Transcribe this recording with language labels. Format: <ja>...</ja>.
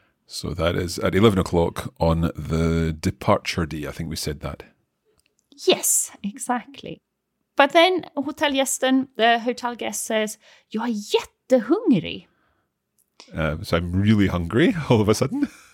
<en>So that is at 11 o'clock on the departure day. I think we said that. Yes, exactly. But then hotelgästen, the hotel guest says,</en> <sv>jag är jättehungrig.</sv> <en>So I'm really hungry all of a sudden.</en>